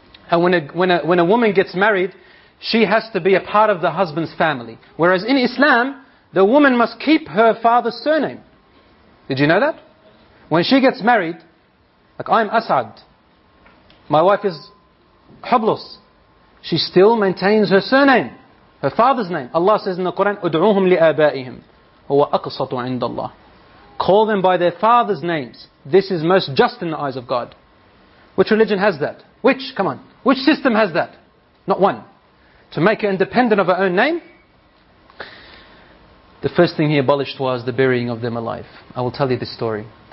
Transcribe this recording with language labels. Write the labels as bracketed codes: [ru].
[en] And when a woman gets married, she has to be a part of the husband's family. Whereas in Islam, the woman must keep her father's surname. Did you know that? When she gets married, like I'm Asad, my wife is Hablus, she still maintains her surname. Her father's name. Allah says in the Quran, [ar] أُدْعُوهُمْ لِآبَائِهِمْ هُوَ أَقْصَطُ عِنْدَ اللَّهِ. [en] Call them by their father's names. This is most just in the eyes of God. Which religion has that? Which? Come on. Which system has that? Not one. To make her independent of her own name? The first thing he abolished was the burying of them alive. I will tell you this story.